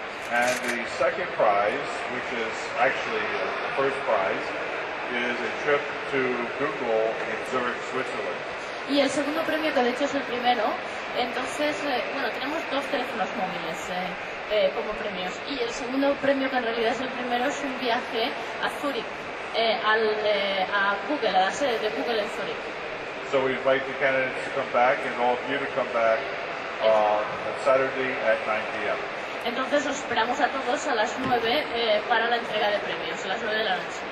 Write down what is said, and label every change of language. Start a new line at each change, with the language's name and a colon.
English: And the second prize, which is actually the first prize, is a trip to Google in Zurich, Switzerland.
Spanish: Y el segundo premio, que de hecho es el primero, entonces, bueno, tenemos dos teléfonos móviles como premios. Y el segundo premio, que en realidad es el primero, es un viaje a Zurich, a Google, a la sede de Google en Zurich.
English: So we invite the candidates to come back and all of you to come back on Saturday at 9 p.m.
Spanish: Entonces os esperamos a todos a las 9 para la entrega de premios, a las 9 de la noche.